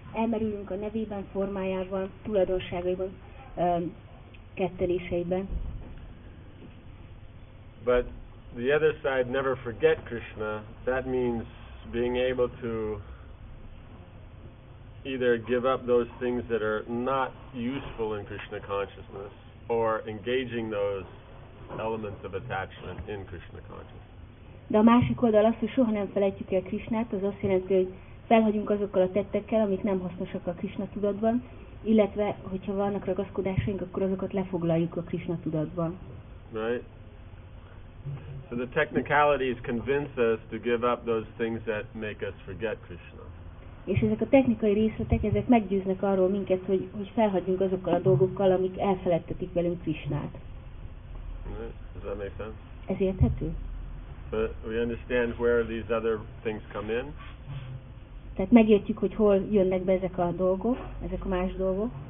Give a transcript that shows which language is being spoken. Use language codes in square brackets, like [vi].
[en] But the other side, never forget Krishna, that means being able to either give up those things that are not useful in Krishna consciousness or engaging those elements of attachment in Krishna consciousness. [hu] De a másik oldal az, hogy soha nem felejtjük el Krishnát, az azt jelenti, hogy felhagyunk azokkal a tettekkel, amik nem hasznosak a Krishna tudatban, illetve, hogyha vannak ragaszkodásaink, akkor azokat lefoglaljuk a Krishna tudatban. [en] Right? So the technicalities convince us to give up those things that make us forget Krishna. [hu] És ezek a technikai részletek, ezek meggyőznek arról minket, hogy felhagyjunk azokkal a dolgokkal, amik elfeledtetik velünk Krishnát. [en] Does that make sense? [hu] Ez érthető? [en] But we understand where these other things come in. [hu] Tehát megértjük, hogy hol jönnek be ezek a dolgok, ezek a más dolgok.